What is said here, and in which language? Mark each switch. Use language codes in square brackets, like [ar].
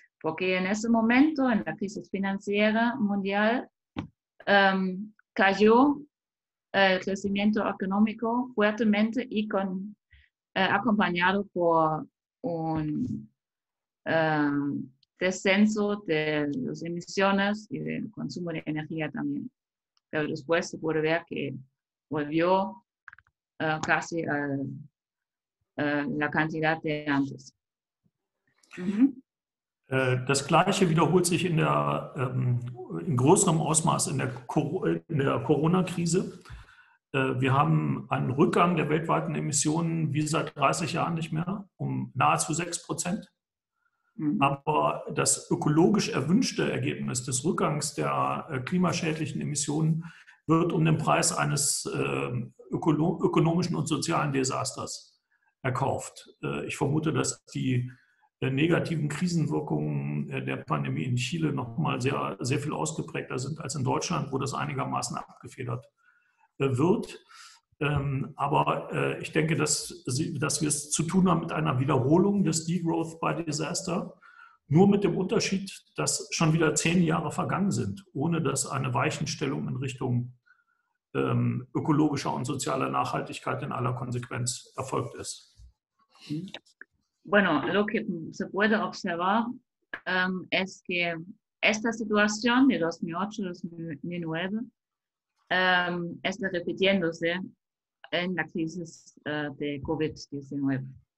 [es] Porque en ese momento, en la crisis financiera mundial, cayó el crecimiento económico fuertemente y con, acompañado por un descenso de las emisiones y del consumo de energía también. Pero después se puede ver que volvió casi a la cantidad de antes. [de] Das Gleiche wiederholt sich in der in größerem Ausmaß in der Corona-Krise. Wir haben einen Rückgang der weltweiten Emissionen wie seit 30 Jahren nicht mehr, um nahezu 6%. Aber das ökologisch erwünschte Ergebnis des Rückgangs der klimaschädlichen Emissionen wird um den Preis eines ökonomischen und sozialen Desasters erkauft. Ich vermute, dass die negativen Krisenwirkungen der Pandemie in Chile noch mal sehr, sehr viel ausgeprägter sind als in Deutschland, wo das einigermaßen abgefedert wird. Aber ich denke, dass wir es zu tun haben mit einer Wiederholung des Degrowth by Disaster, nur mit dem Unterschied, dass schon wieder 10 Jahre vergangen sind, ohne dass eine Weichenstellung in Richtung ökologischer und sozialer Nachhaltigkeit in aller Konsequenz erfolgt ist. [es] Bueno, lo que se puede observar es que esta situación de 2008-2009 está repitiéndose en la crisis de COVID-19.